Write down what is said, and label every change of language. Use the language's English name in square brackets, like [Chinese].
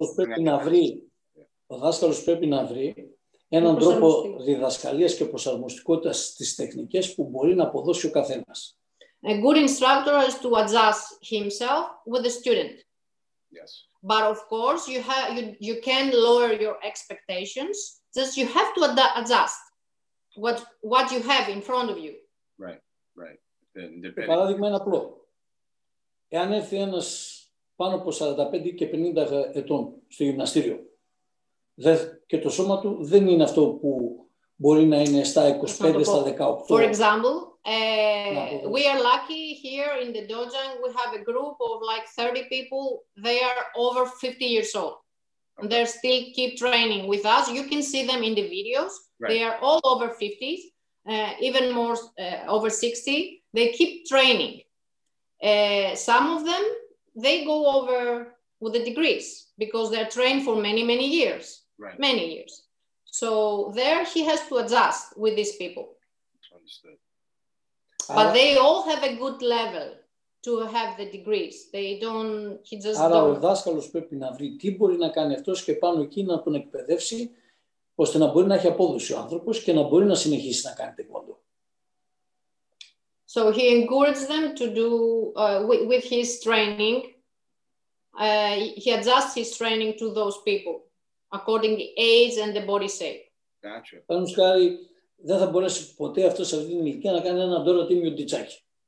[Greek] Ο δάσκαλος πρέπει να βρει. Yeah. Ο δάσκαλος πρέπει να βρει έναν τρόπο διδασκαλίας και προσαρμοστικότητας στις τεχνικές που μπορεί να αποδώσει ο καθένας. [English] A good instructor has to adjust himself with the student. Yes. But of course, you can lower your expectations. Just you have to adjust what you have in front of you. Right. [Greek] Παράδειγμα είναι απλό. Εάν έρθει ένας πάνω από 45 και 50 ετών στο γυμναστήριο και το σώμα του δεν είναι αυτό που μπορεί να είναι στα 25, στα 18. [English] For example, we are lucky here in the Dojang. We have a group of like 30 people. They are over 50 years old. Okay. They still keep training with us. You can see them in the videos. Right. They are all over 50, even more over 60. They keep training. Some of them, they go over with the degrees because they're trained for many, many years. Right. Many years. So there he has to adjust with these people. Understood. But they all have a good level to have the degrees. They don't. He just. [Greek] Άρα ο δάσκαλος πρέπει να βρει τι μπορεί να κάνει αυτός και πάνω εκεί να τον εκπαιδεύσει, ώστε να μπορεί να έχει απόδοση ο άνθρωπος και να μπορεί να συνεχίσει να κάνει τεκμόντο. [English] So he encourages them to do with his training. He adjusts his training to those people according to age and the body shape. Gotcha. [Greek] Πάνω σκάρι. Δεν θα μπορέσει ποτέ αυτό σε αυτήν την ηλικία να κάνει ένα ντόρο τίμιο τιτσάκι.